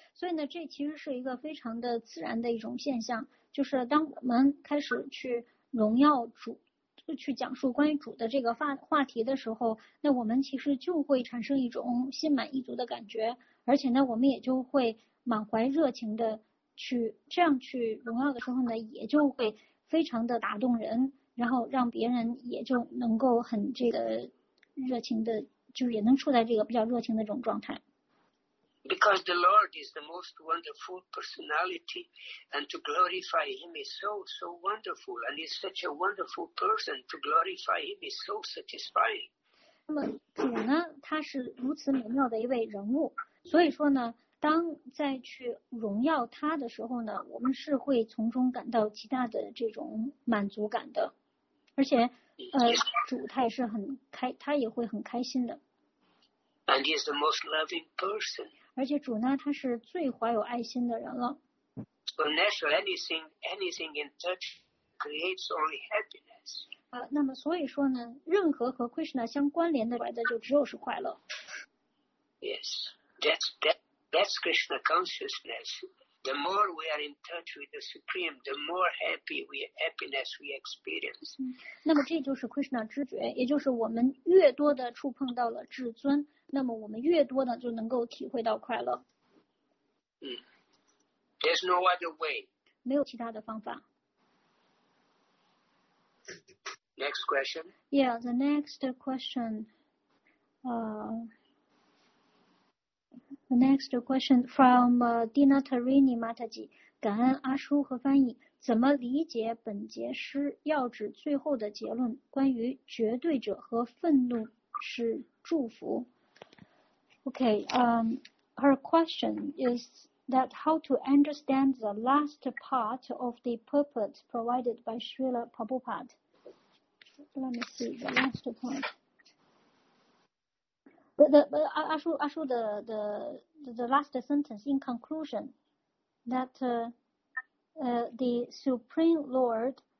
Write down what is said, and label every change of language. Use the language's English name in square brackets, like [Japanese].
[Chinese] 所以呢，这其实是一个非常的自然的一种现象，就是当我们开始去荣耀主，去讲述关于主的这个话题的时候，那我们其实就会产生一种心满意足的感觉，而且呢，我们也就会满怀热情的去这样去荣耀的时候呢，也就会非常的打动人，然后让别人也就能够很这个热情的，就也能处在这个比较热情的这种状态。 [English] Because the Lord is the most wonderful personality, and to glorify Him is so, so wonderful, and He's such a wonderful person, to glorify Him is so satisfying. [Chinese] 那么主呢，他是如此美妙的一位人物，所以说呢，当在去荣耀他的时候呢，我们是会从中感到极大的这种满足感的，而且主他也是很开，他也会很开心的。 [English] And He's the most loving person. [Chinese] 而且主呢，他是最怀有爱心的人了。 [English] Well, naturally, anything in touch creates only happiness. [Chinese] 那么所以说呢，任何和 Krishna 相关联的来的就只有是快乐。 [English] Yes, that's Krishna consciousness. The more we are in touch with the Supreme, the more happiness we experience. [Chinese] 那么这就是 Krishna 知觉，也就是我们越多的触碰到了至尊，那么我们越多的就能够体会到快乐。 [English] There's no other way. [Chinese] 没有其他的方法。 [English] Next question. Yeah, the next question. The next question from Dina Tarini Mataji. [Chinese] 感恩阿叔和翻译，怎么理解本节诗要指最后的结论，关于绝对者和愤怒是祝福。 [English] Okay, her question is that how to understand the last part of the purport provided by Srila Prabhupada. Let me see the last point. The last sentence in conclusion, that the Supreme Lord.